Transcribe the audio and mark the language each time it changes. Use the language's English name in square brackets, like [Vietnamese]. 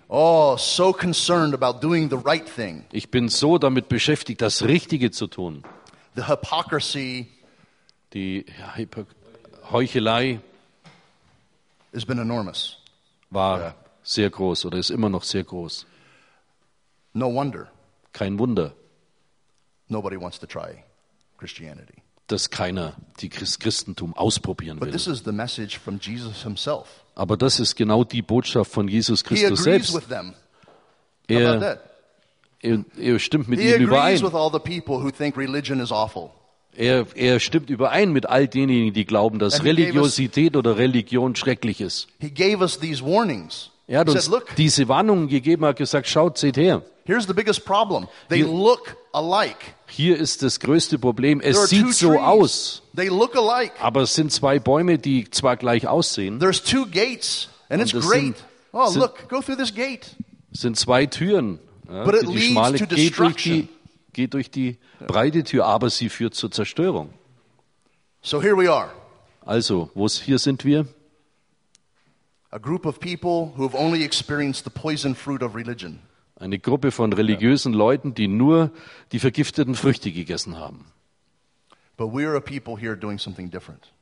[English] Oh, so concerned about doing the right thing. [German] Ich bin so damit beschäftigt, das Richtige zu tun. [English] The hypocrisy. [German] Die Heuchelei. [English] Has been enormous. [German] War yeah. sehr groß oder ist immer noch sehr groß. [English] No wonder. [German] Kein Wunder. [English] Nobody wants to try Christianity. [German] Dass keiner das Christentum ausprobieren will. [English] But this is the message from Jesus himself. [German] Aber das ist genau die Botschaft von Jesus Christus selbst. [English] With them. [German] Er stimmt mit ihnen überein. [English] With all the people who think religion is awful. [German] Er stimmt überein mit all denjenigen, die glauben, dass Religiosität oder Religion schrecklich ist. [English] He gave us these warnings. [German] Er hat uns diese Warnung gegeben, hat gesagt, schaut, seht her. [English] Here's the biggest problem. They look alike. [German] Hier ist das größte Problem. Es sieht so aus. [English] They look alike. [German] Aber es sind zwei Bäume, die zwar gleich aussehen. [English] There's two gates and it's great. Oh, look, go through this gate. [German] Sind zwei Türen. [English] But it leads to destruction. [German] Geht durch die breite Tür, aber sie führt zur Zerstörung. [English] So here we are. [German] Also, hier sind wir? [English] A group of people who have only experienced the poison fruit of religion. [German] Eine Gruppe von religiösen Leuten, die nur die vergifteten Früchte gegessen haben. [English] But we are a people here doing something different.